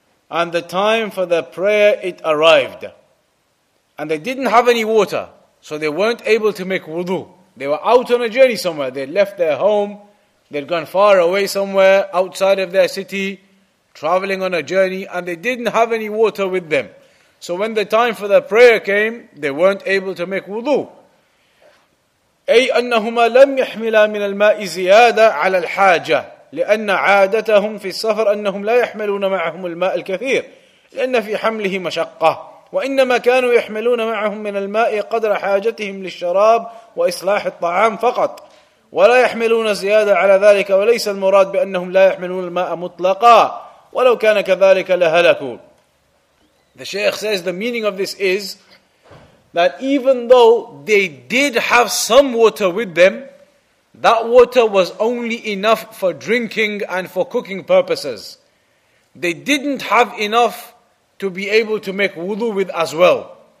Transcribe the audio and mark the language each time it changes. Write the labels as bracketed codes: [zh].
[en] And the time for the prayer, it arrived. And they didn't have any water, so they weren't able to make wudu. They were out on a journey somewhere. They left their home. They'd gone far away somewhere, outside of their city, traveling on a journey, and they didn't have any water with them. So when the time for the prayer came, they weren't able to make wudu. [ar] أي أنهما لم يحملا من الماء زيادة على الحاجة لأن عادتهم في السفر أنهم لا يحملون معهم الماء الكثير لأن في حمله مشقة وإنما كانوا يحملون معهم من الماء قدر حاجتهم للشراب وإصلاح الطعام فقط ولا يحملون زيادة على ذلك وليس المراد بأنهم لا يحملون الماء مطلقا ولو كان كذلك لهلكوا. [en] The Shaykh says the meaning of this is that even though they did have some water with them, that water was only enough for drinking and for cooking purposes. They didn't have enough to be able to make wudu with as well.